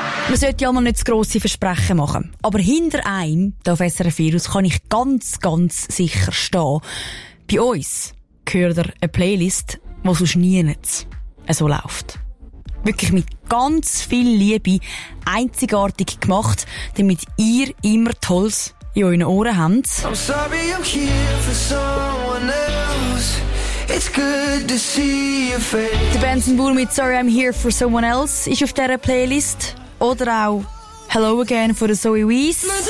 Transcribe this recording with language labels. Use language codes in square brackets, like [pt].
[de] Man sollte ja mal nicht zu grosse Versprechen machen. Aber hinter einem, da auf SRF Virus, kann ich ganz, ganz sicher stehen. Bei uns gehört er eine Playlist, die sonst nie so läuft. Wirklich mit ganz viel Liebe einzigartig gemacht, damit ihr immer Tolles in euren Ohren habt. [en] I'm sorry, I'm here for someone else. It's good to see your face. [de] Der Benson Boone mit Sorry I'm Here for Someone Else ist auf dieser Playlist. Oder auch Hello Again von Zoe Weiss.